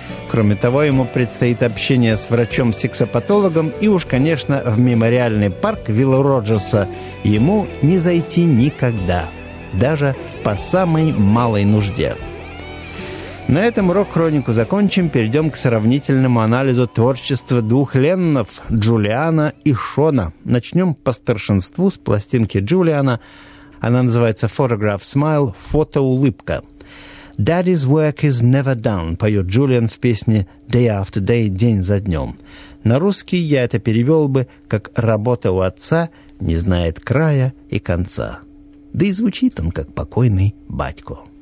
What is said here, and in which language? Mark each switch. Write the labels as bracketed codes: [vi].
[ru] Кроме того, ему предстоит общение с врачом-сексопатологом и уж, конечно, в мемориальный парк Вилла Роджерса ему не зайти никогда, даже по самой малой нужде. На этом рок-хронику закончим, перейдем к сравнительному анализу творчества двух Леннонов – Джулиана и Шона. Начнем по старшинству с пластинки Джулиана. Она называется «Photograph Smile» – «Фотоулыбка». [en] «Daddy's work is never done» [ru] – поет Джулиан в песне [en] «Day after day» [ru] – «День за днем». На русский я это перевел бы как «Работа у отца не знает края и конца». Да и звучит он как покойный батько.